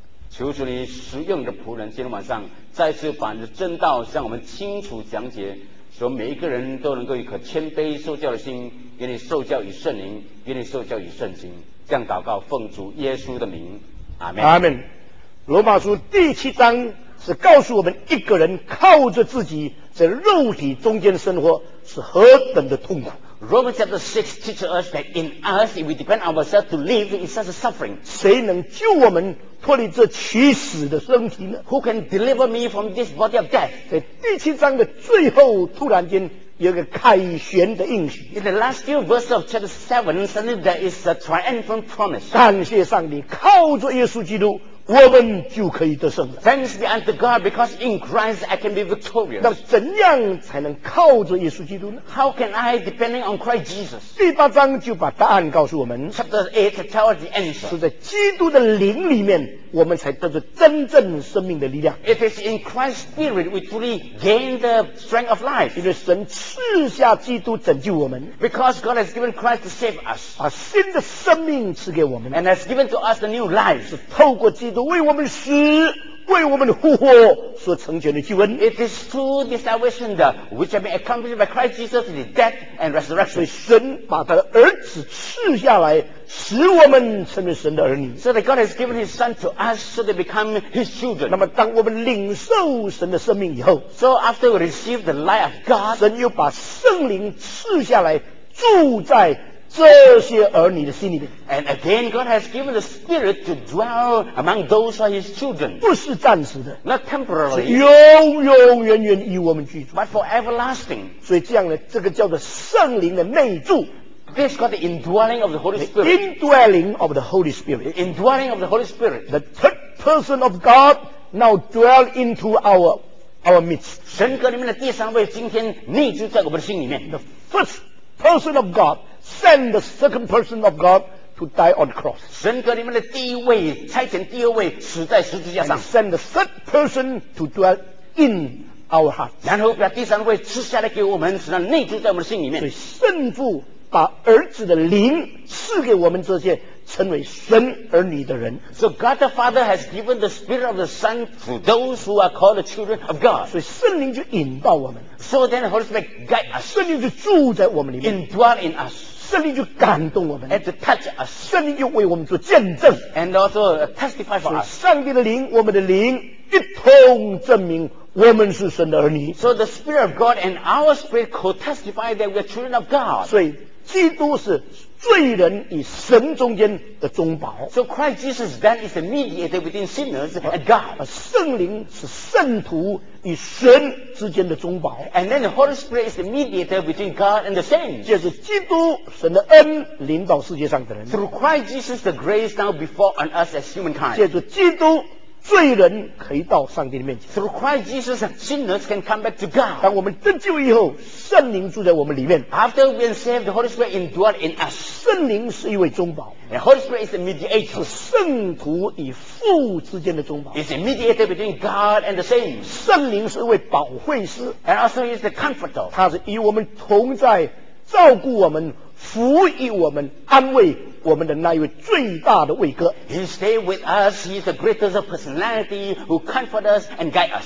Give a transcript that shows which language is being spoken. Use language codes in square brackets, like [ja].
[zh] 求主你使用的仆人今天晚上再次把你的真道向我们清楚讲解，使每一个人都能够有可谦卑受教的心，给你受教与圣灵，给你受教与圣经。这样祷告奉主耶稣的名，阿们，阿们。罗马书第七章是告诉我们一个人靠着自己在肉体中间生活是何等的痛苦。 [en] Romans chapter 6 teaches us that in us, if we depend on ourselves to live, it's such a suffering. [zh] 谁能救我们脱离这起死的身体呢？ [en] Who can deliver me from this body of death? [zh] 在第七章的最后突然间有一个凯旋的应许。 [en] In the last few verses of chapter 7, suddenly there is a triumphant promise. [zh] 感谢上帝，靠着耶稣基督我们就可以得胜了。 [en] Thanks be unto God, because in Christ I can be victorious. [zh] 那怎样才能靠着耶稣基督呢？ [en] How can I depending on Christ Jesus? [zh] 第八章就把答案告诉我们。 [en] Chapter 8 tells us the answer. [zh] 是在基督的灵里面，我们才得着真正生命的力量。 [en] It is in Christ's spirit we truly gain the strength of life. [zh] 因为神赐下基督拯救我们。 [en] Because God has given Christ to save us. [zh] 把新的生命赐给我们。 [en] And has given to us the new life. [zh] 是透过基督为我们死，为我们复活所成全的救恩。 [en] It is through the salvation that which have been accomplished by Christ Jesus in the death and resurrection. [zh] 所以神把他的儿子赐下来，使我们成为神的儿女。 [en] So that God has given His Son to us, so they become His children. [zh] 那么当我们领受神的生命以后 [en] ，So after we receive the light of God, [zh] 神又把圣灵赐下来，住在这些儿女的心里面。 [en] And again, God has given the Spirit to dwell among those who are His children. [zh] 不是暂时的， [en] not temporarily, [zh] 是永永远远与我们居住， [en] but for everlasting. [zh] 所以这样呢，这个叫做圣灵的内住。 [en] This is called the indwelling of the Holy Spirit. The indwelling of the Holy Spirit. The indwelling of the Holy Spirit. The third person of God now dwell into our midst. [zh] 神格里面的第三位今天内住在我们的心里面。 [en] The first person of God. Send the second person of God to die on the cross. [zh] 神格里面的第一位差遣第二位死在十字架上。 [en] And send the third person to dwell in our hearts. [zh] 然后把第三位赐下来给我们，使他内住在我们的心里面。所以圣父把儿子的灵赐给我们这些成为神儿女的人。 [en] So God the Father has given the Spirit of the Son to those who are called the children of God. [zh] 所以圣灵就引导我们。 [en] So then the Holy Spirit guide us. [zh] 圣灵就住在我们里面。 [en] Indwell in us. [zh] 圣灵就感动我们。 [en] And to touch us. [zh] 圣灵就为我们做见证。 [en] And also testify for us. [zh] 所以上帝的灵，我们的灵一同证明我们是神的儿女。 [en] So the Spirit of God and our Spirit could testify that we are children of God. [zh] 所以基督是罪人与神中间的中保。 [en] So Christ Jesus then is the mediator between sinners and God. [zh] 圣灵是圣徒与神之间的中保。 [en] And then the Holy Spirit is the mediator between God and the saints. [zh] 就是基督神的恩临到世界上的人。 [en] Through Christ Jesus the grace now before on us as humankind. [zh] 就是基督罪人可以到上帝的面前。 [en] Through Christ Jesus sinners can come back to God. [zh] 当我们得救以后，圣灵住在我们里面。 [en] After we are saved, the Holy Spirit indwell in us. [zh] 圣灵是一位中保。 [en] The Holy Spirit is the mediator. [zh] 是圣徒与父之间的中保。 [en] It's a mediator between God and the saints. [zh] 圣灵是一位保惠师。 [en] And also is the comforter. [zh] 他是与我们同在，照顾我们，服役我们，安慰我们的那一位最大的位哥。 [en] He stay with us. He is the greatest of personality who comfort us and guide us.